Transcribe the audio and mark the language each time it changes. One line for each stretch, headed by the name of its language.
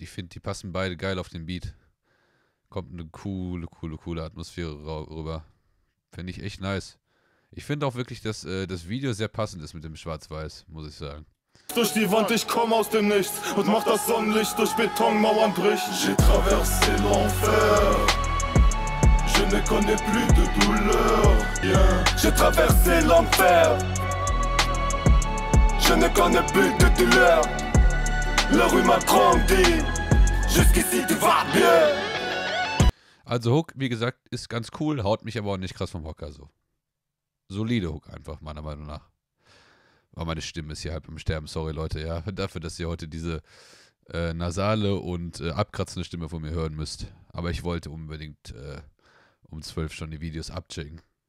German: Ich finde, die passen beide geil auf den Beat. Kommt eine coole, coole, coole Atmosphäre rüber. Finde ich echt nice. Ich finde auch wirklich, dass das Video sehr passend ist mit dem Schwarz-Weiß, muss ich sagen. Durch die Wand, ich komm aus dem Nichts und mach das Sonnenlicht durch Betonmauern bricht.
French: J'ai traversé l'enfer, je ne connais plus de douleur. J'ai traversé l'enfer, je ne connais plus de douleur. La rue m'a grandi, jusqu'ici tu vas bien.
German: Also Hook, wie gesagt, ist ganz cool, haut mich aber auch nicht krass vom Hocker so. Solide Hook einfach, meiner Meinung nach. Aber meine Stimme ist hier halb im Sterben, sorry Leute, ja. Dafür, dass ihr heute diese nasale und abkratzende Stimme von mir hören müsst. Aber ich wollte unbedingt um 12 schon die Videos abchecken.